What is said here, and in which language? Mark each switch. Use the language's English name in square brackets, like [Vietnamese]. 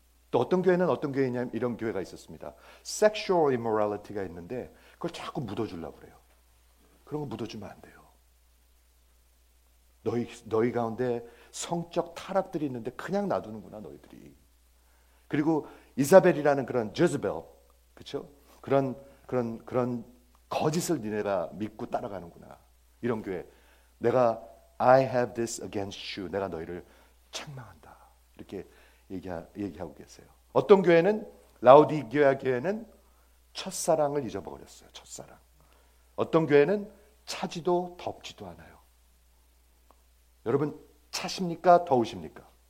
[Korean] 또 어떤 교회는 어떤 교회냐면 이런 교회가 있었습니다. [English] Sexual immorality [Korean] 가 있는데 그걸 자꾸 묻어주려고 그래요. 그런 거 묻어주면 안 돼요. 너희 가운데 성적 타락들이 있는데 그냥 놔두는구나 너희들이. 그리고 이사벨이라는 그런 Jezebel, 그렇죠? 그런 거짓을 니네가 믿고 따라가는구나. 이런 교회. 내가 [English] I have this against you. [Korean] 내가 너희를 책망한다. 이렇게 얘기하고 계세요. 어떤 교회는 라오디기아 교회는 첫사랑을 잊어버렸어요. 첫사랑. 어떤 교회는 차지도 덥지도 않아요. 여러분 차십니까? 더우십니까?